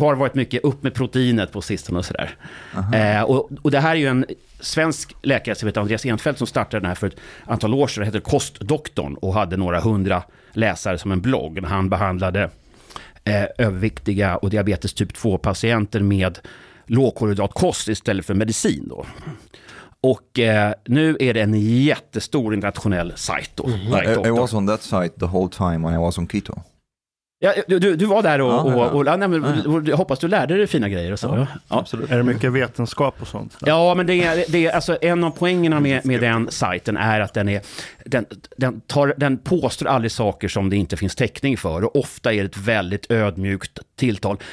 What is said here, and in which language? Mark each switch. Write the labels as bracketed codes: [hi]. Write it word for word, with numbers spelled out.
[sv] Nu har det varit mycket upp med proteinet på sistone och sådär. Eh, och, och det här är ju en svensk läkare som heter Andreas Enfeldt som startade den här för ett antal år sedan. Det heter Kostdoktorn och hade några hundra läsare som en blogg. Han behandlade eh, överviktiga och diabetes typ två-patienter med lågkolhydratkost istället för medicin då. Och eh, nu är det en jättestor internationell sajt då. [en] Diet I, I Doctor. was on that site the whole time when I was on keto. [sv] Ja, du, du, du var där och, Ja, och, ja, ja. och, ja, nej, men, jag hoppas du lärde dig fina grejer och så. Ja, ja. Absolut. Är det mycket vetenskap och sånt? Ja, men det är, det är alltså en av poängerna med, med den sajten är att den är den, den, tar, den påstår aldrig saker som det inte finns täckning för och ofta är det ett väldigt ödmjukt tilltal.